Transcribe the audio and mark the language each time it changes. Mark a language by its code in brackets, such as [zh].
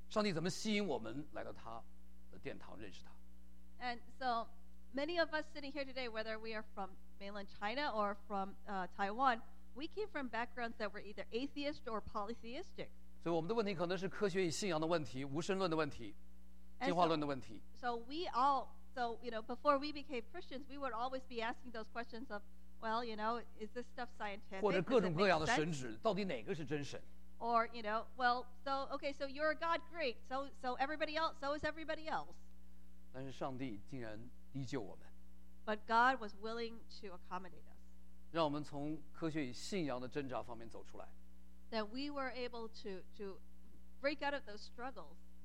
[zh] 想想我们这些在中国大陆或者台湾这种无神论或者多神论的人，上帝怎么吸引我们来到他的殿堂认识他？ [en] And so many of us sitting here today, whether we are from mainland China or from Taiwan. We came from backgrounds that were either atheist or polytheistic. So, [zh] 我们的问题可能是科学与信仰的问题，无神论的问题，进化论的问题。 [en] So, before we became Christians, we would always be asking those questions of, well, you know, is this stuff scientific? [zh] 或者各种各样的神职，到底哪个是真神？ [en] Or, you know, well, so okay, so you're a God, great. So everybody else, so is everybody else. [zh] 但是上帝竟然依旧我们。 [en] But God was willing to accommodate us. [zh] 让我们从科学与信仰的挣扎方面走出来。 [en] That we were able to break out of those struggles.